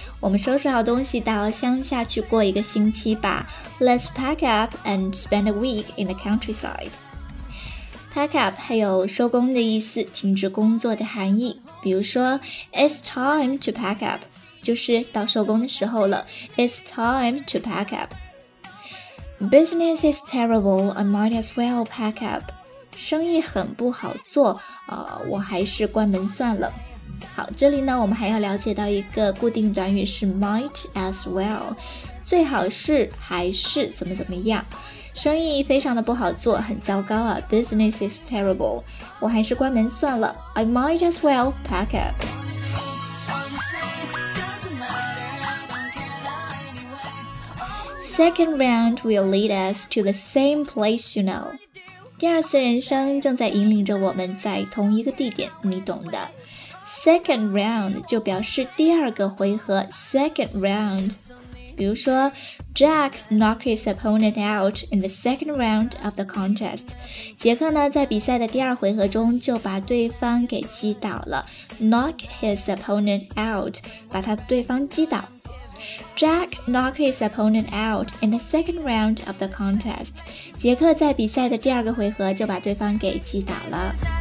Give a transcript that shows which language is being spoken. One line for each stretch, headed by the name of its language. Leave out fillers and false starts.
Chinese: 我们收拾好东西到乡下去过一个星期吧。
English: Let's pack up and spend a week in the countryside.
Chinese: Pack up 还有收工的意思，停止工作的含义。比如说
English: It's time to pack up，
Chinese: 就是到收工的时候了。
English: It's time to pack up. Business is terrible, I might as well pack up.
Chinese: 生意很不好做，我还是关门算了。好，这里呢，我们还要了解到一个固定短语是 might as well， 最好是还是怎么怎么样。生意非常的不好做，很糟糕啊。
English: Business is terrible,
Chinese: 我还是关门算了。
English: I might as well pack up. Second round will lead us to the same place, you know.
Chinese: 第二次人生正在引领着我们在同一个地点，你懂的。 Second round 就表示第二个回合 ,second round. 比如说
English: ,Jack knocked his opponent out in the second round of the contest.
Chinese: 杰克呢在比赛的第二回合中就把对方给击倒了。
English: Knock his opponent out,
Chinese: 把他对方击倒。
English: Jack knocked his opponent out in the second round of the contest.
Chinese: 杰克在比赛的第二个回合就把对方给击倒了。